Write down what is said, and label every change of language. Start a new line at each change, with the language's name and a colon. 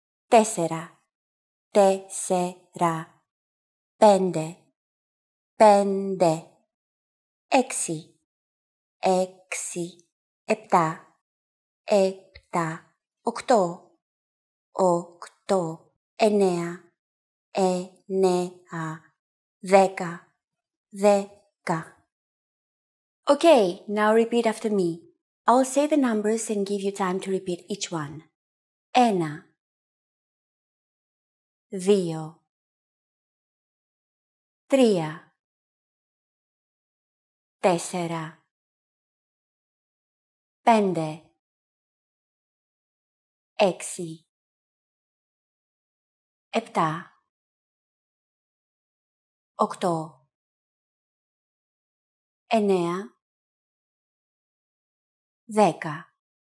Greek: Τέσσερα, τέσσερα, πέντε, πέντε, έξι, έξι, επτά, επτά, οκτώ, οκτώ, εννέα, εννέα, δέκα, δέκα.
English: Okay, now repeat after me. I'll say the numbers and give you time to repeat each one.
Greek: Ένα. Δύο, τρία, τέσσερα, πέντε, έξι, επτά, οκτώ, εννέα, δέκα.